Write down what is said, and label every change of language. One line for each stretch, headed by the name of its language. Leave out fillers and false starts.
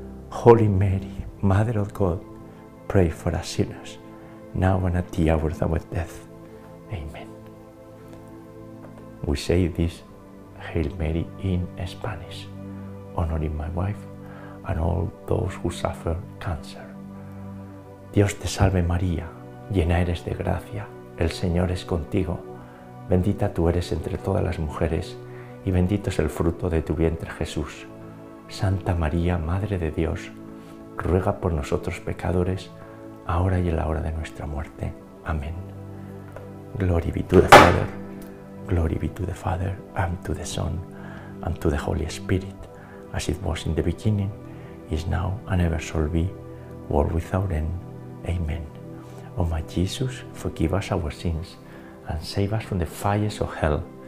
English: Holy Mary, Mother of God, pray for us sinners, now and at the hour of our death. Amen. We say this Hail Mary in Spanish, honoring my wife and all those who suffer cancer.
Spanish: Dios te salve María, llena eres de gracia, el Señor es contigo, bendita tú eres entre todas las mujeres y bendito es el fruto de tu vientre Jesús. Santa María, Madre de Dios, ruega por nosotros pecadores, ahora y en la hora de nuestra muerte.
English: Amén. Glory be to the Father. Glory be to the Father, and to the Son, and to the Holy Spirit, as it was in the beginning, is now, and ever shall be, world without end. Amen. O my Jesus, forgive us our sins, and save us from the fires of hell.